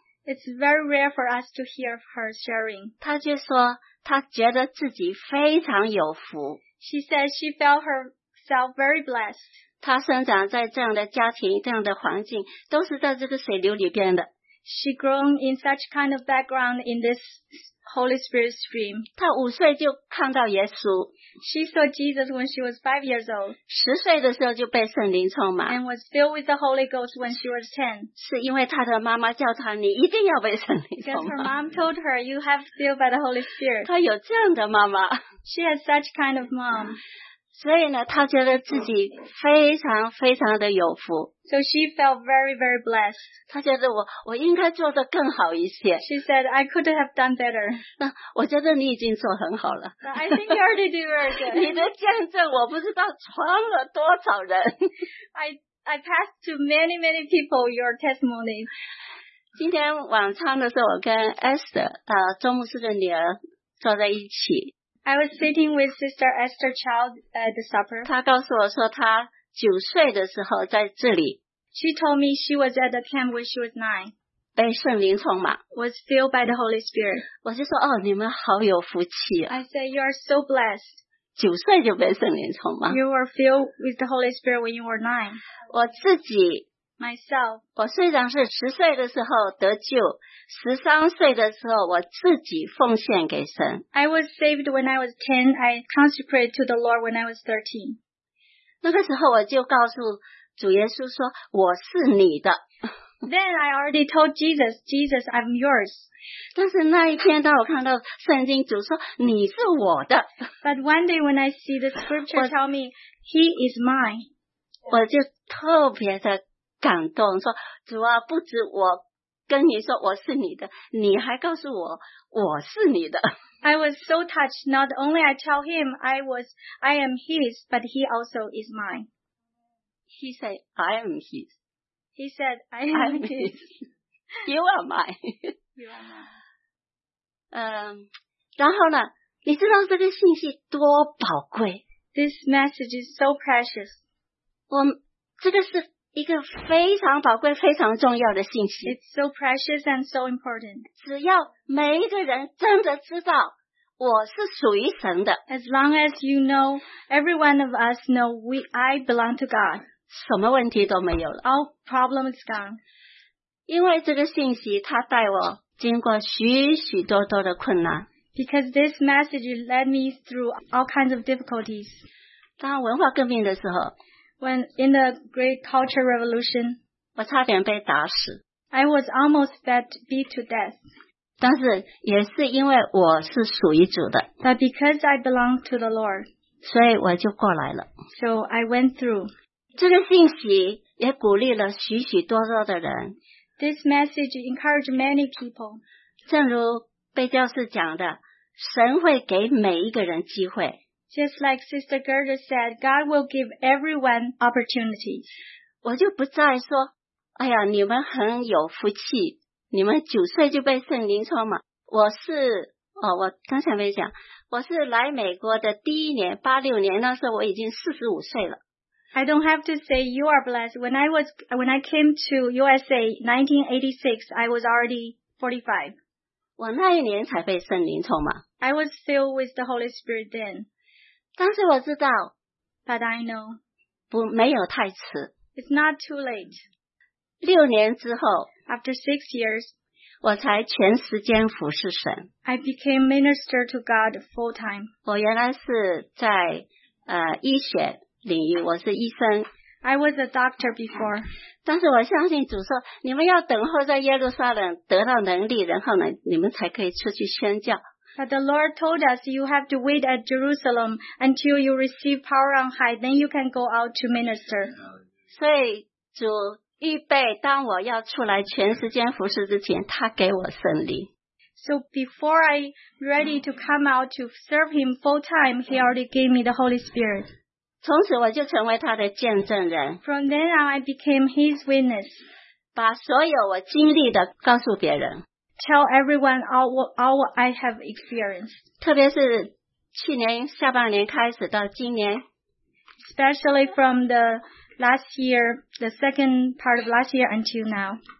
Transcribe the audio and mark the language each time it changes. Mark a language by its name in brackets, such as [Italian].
[English] it's very rare for us to hear her sharing [Chinese] 她就说她觉得自己非常有福 [English] she said she felt herself very blessed [Chinese] 她生长在这样的家庭这样的环境都是在这个水流里边的 [English] she grown in such kind of background in this Holy Spirit stream [Chinese] 她五岁就看到耶稣 [English] She saw Jesus when she was 5 years old [Chinese] 十岁的时候就被圣灵充满 [English] And was filled with the Holy Ghost when she was 10 [Chinese] 是因为她的妈妈叫她你一定要被圣灵充满 [English] Because her mom told her You have to be filled by the Holy Spirit [Chinese] 她有这样的妈妈 [English] She has such kind of mom [Chinese] 所以呢她觉得自己非常非常的有福 [English] So she felt very very blessed [Chinese] 她觉得 我应该做得更好一些 [English] She said I could have done better [Chinese] 我觉得你已经做很好了 [English] I think you already do very good [Chinese] 你的见证我不知道传了多少人 [English] I passed to many many people your testimony [Chinese] 今天晚餐的时候我跟 Esther 周牧师的女儿坐在一起 [English] I was sitting with Sister Esther Child at the supper. [Chinese] 她告诉我说她九岁的时候在这里。 [English] She told me she was at the camp when she was 9. [Chinese] 被圣灵充满。 [English] Was filled by the Holy Spirit. [Chinese] 我就说哦你们好有福气啊。 [English] I said you are so blessed. [Chinese] 九岁就被圣灵充满。 [English] You were filled with the Holy Spirit when you were 9. [Chinese] 我自己。 [English] Myself. [Chinese] 我虽然是十岁的时候得救。13岁的时候，我自己奉献给神。 [English] I was saved when I was 10. I consecrated to the Lord when I was 13. [Chinese] 那个时候我就告诉主耶稣说：“我是你的。” [English] Then I already told Jesus, "Jesus, I'm yours." [Chinese] 但是那一天，当我看到圣经主说：“你是我的。” [English] But one day when I see the scripture tell me, "He is mine," [Chinese] 我就特别的感动，说：“主啊，不止我。” 跟你说我是你的，你还告诉我我是你的。 [English] I was so touched. Not only I tell him I am his, but he also is mine. He said, "I am his." He said, "I am his." You are mine. [Chinese] 然后呢？你知道这个信息多宝贵 [English] ？This message is so precious. [Chinese] 这个是。一个非常宝贵非常重要的信息 [English] It's so precious and so important [Chinese] 只要每一个人真的知道我是属于神的 [English] As long as you know every one of us know I belong to God [Chinese] 什么问题都没有了 [English] All problems gone [Chinese] 因为这个信息它带我经过许许多多的困难 [English] Because this message led me through all kinds of difficulties [Chinese] 当文化革命的时候 [English] When in the Great Culture Revolution, [Chinese] 我差点被打死。 [English] I was almost beat to death. [Chinese] 但是也是因为我是属于主的。 [English] But because I belong to the Lord. [Chinese] 所以我就过来了。 [English] So I went through. [Chinese] 这个信息也鼓励了许许多多的人。 [English] This message encouraged many people. [Chinese] 正如贝教士讲的，神会给每一个人机会。 [English] Just like Sister Gerda said, God will give everyone opportunities. [Chinese] 我就不再说，哎呀，你们很有福气，你们九岁就被圣灵充满。我是哦，我刚才没讲，我是来美国的第一年，86年，那时候我已经45岁了。 [English] I don't have to say you are blessed. When I came to USA 1986, I was already 45. [Chinese] 我那一年才被圣灵充满。 [English] I was filled with the Holy Spirit then. [Chinese] 但是我知道 [English] But I know [Chinese] 不没有太迟 [English] It's not too late [Chinese] 6年之后 [English] After 6 years [Chinese] 我才全时间服侍神 [English] I became minister to God full time [Chinese] 我原来是在医学领域我是医生 [English] I was a doctor before [Chinese] 但是我相信主说你们要等候在耶路撒冷得到能力然后呢你们才可以出去宣教 [English] But the Lord told us you have to wait at Jerusalem until you receive power on high, then you can go out to minister. [Chinese] 所以主预备当我要出来全时间服侍之前，他给我圣礼。 [English] So before I ready to come out to serve him full time, he already gave me the Holy Spirit. [Chinese] 从此我就成为他的见证人。 [English] From then on, I became his witness. [Chinese] 把所有我经历的告诉别人。 [English] Tell everyone all I have experienced. [Chinese] 特别是去年下半年开始到今年。 [English] Especially from the last year, the second part of last year until now.